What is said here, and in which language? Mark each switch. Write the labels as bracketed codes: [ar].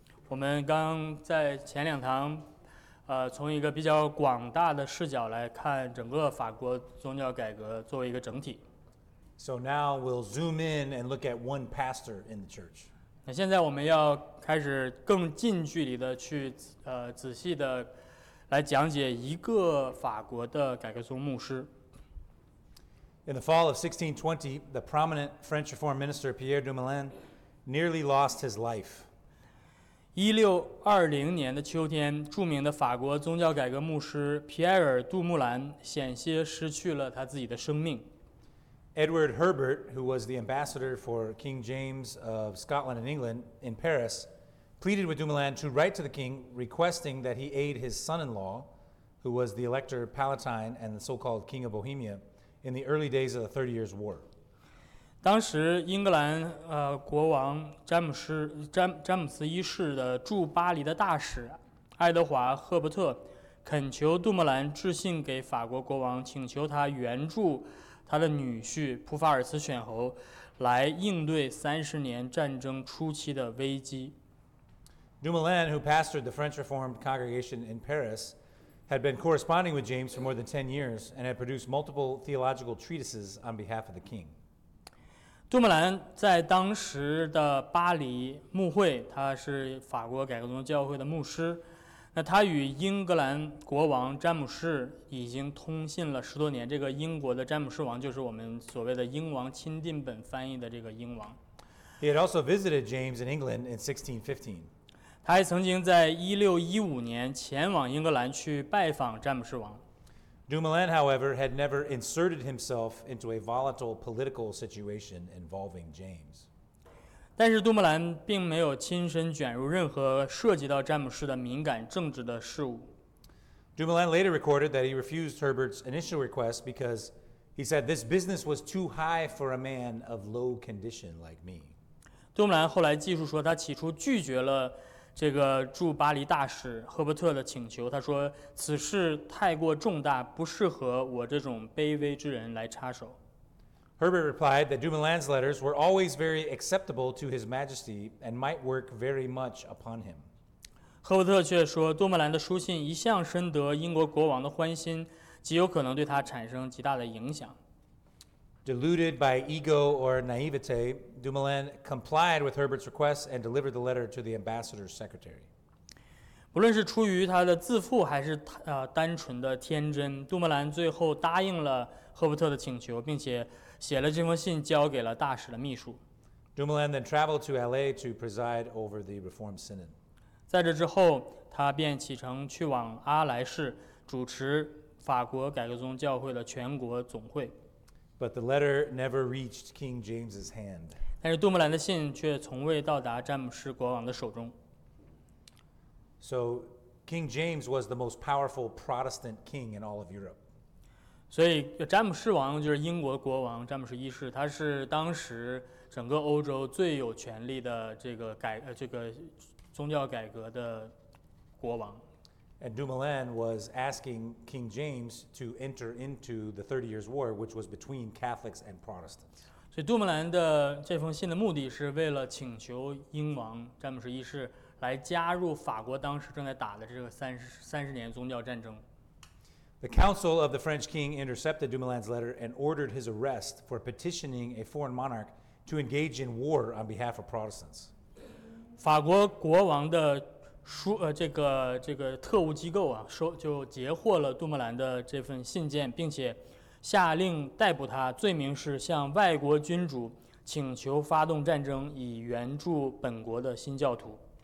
[zh] 我们刚在前两堂，从一个比较广大的视角来看整个法国宗教改革作为一个整体。 [en] So now we'll zoom in and look at one pastor in the church. [zh] 那现在我们要开始更近距离的去，仔细的来讲解一个法国的改革宗牧师。 [en] In the fall of 1620, the prominent French Reformed minister Pierre Dumoulin nearly lost his life. [zh] 1620年的秋天，著名的法国宗教改革牧师皮埃尔·杜穆兰险些失去了他自己的生命。 [en] Edward Herbert, who was the ambassador for King James of Scotland and England in Paris, pleaded with Dumoulin to write to the king requesting that he aid his son-in-law, who was the Elector Palatine and the so-called King of Bohemia,in the early days of the Thirty Years' War. [zh] 当时英格兰国王詹姆斯一世的驻巴黎的大使爱德华赫伯特恳求杜穆兰致信给法国国王，请求他援助他的女婿普法尔茨选侯来应对三十年战争初期的危机。 [en] Dumoulin, who pastored the French Reformed congregation in Paris,had been corresponding with James for more than 10 years and had produced multiple theological treatises on behalf of the king. [zh] 杜穆兰在当时的巴黎牧会，他是法国改革宗教会的牧师，那他与英格兰国王詹姆士已经通信了十多年，这个英国的詹姆士王就是我们所谓的英王钦定本翻译的这个英王。 [en] He had also visited James in England in 1615. [zh] 他还曾经在1615年前往英格兰去拜访詹姆士王。 [en] Dumoulin, however, had never inserted himself into a volatile political situation involving James. [zh] 但是杜穆兰并没有亲身卷入任何涉及到詹姆士的敏感政治的事务。 [en] Dumoulin later recorded that he refused Herbert's initial request because he said this business was too high for a man of low condition like me. [zh] 杜穆兰后来记述说，他起初拒绝了这个驻巴黎大使赫伯特的请求，他说此事太过重大，不适合我这种卑微之人来插手。 [en] Herbert replied that Dumoulin's letters were always very acceptable to his majesty and might work very much upon him. [zh] 赫伯特却说，杜穆兰的书信一向深得英国国王的欢心，极有可能对他产生极大的影响。 [en] Deluded by ego or naivete, Dumoulin complied with Herbert's request and delivered the letter to the ambassador's secretary. [zh] 不论是出于他的自负还是单纯的天真，杜穆兰最后答应了赫伯特的请求，并且写了这封信交给了大使的秘书。 [en] Dumoulin then traveled to LA to preside over the Reformed Synod. [zh] 在这之后，他便启程去往阿莱市，主持法国改革宗教会的全国总会。 [en] But the letter never reached King James's hand. [zh] 但是杜穆兰的信却从未到达詹姆士国王的手中。 [en] So King James was the most powerful Protestant king in all of Europe. [zh] 所以詹姆士王就是英国国王詹姆士一世，他是当时整个欧洲最有权力的这个宗教改革的国王。 [en] And Dumoulin was asking King James to enter into the Thirty Years' War, which was between Catholics and Protestants. [zh] 所以杜穆兰的这封信的目的是为了请求英王詹姆士一世来加入法国当时正在打的这个三十年宗教战争。 [en] The council of the French king intercepted Dumoulin's letter and ordered his arrest for petitioning a foreign monarch to engage in war on behalf of Protestants. [zh] 法国国王的这个特务机构啊，收就截获了杜穆兰的这份信件，并且下令逮捕他，罪名是向外国君主请求发动战争，以援助本国的新教徒。